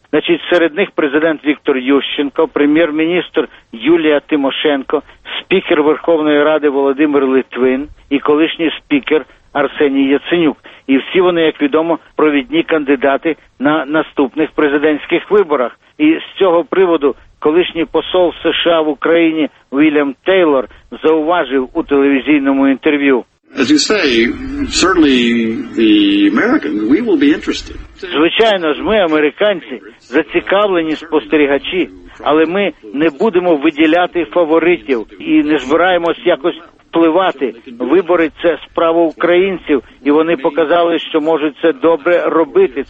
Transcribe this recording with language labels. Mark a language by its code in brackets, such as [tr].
[uk] Значить, серед них президент Віктор Ющенко, прем'єр-міністр Юлія Тимошенко, спікер Верховної Ради Володимир Литвин і колишній спікер Арсеній Яценюк. І всі вони, як відомо, провідні кандидати на наступних президентських виборах. І з цього приводу колишній посол США в Україні Вільям Тейлор зауважив у телевізійному інтерв'ю. [en] As you say, certainly the Americans, we will be interested. [uk] Звичайно ж, ми, американці, зацікавлені спостерігачі, але ми не будемо виділяти фаворитів і не збираємось якось впливати. Вибори – це справа українців, і вони показали, що можуть це добре робити.